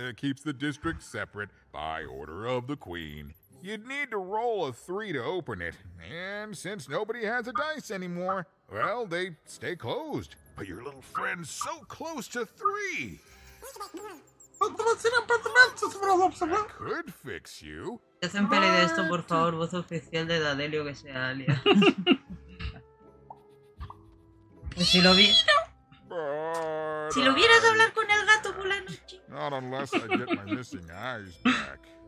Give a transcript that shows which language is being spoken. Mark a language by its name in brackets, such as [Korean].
[English] Keeps the district separate by order of the queen. You'd need to roll a three to open it. And since nobody has a dice anymore, well, they stay closed. But your little friend's so close to three. That could fix you. [Spanish] Hacen peli de esto, por favor, voz oficial de Dadelio que sea Alia. Si lo vi. [English] But [Spanish] si lo vieras hablar con el gato por la noche. [English] Not unless I get my missing eyes back.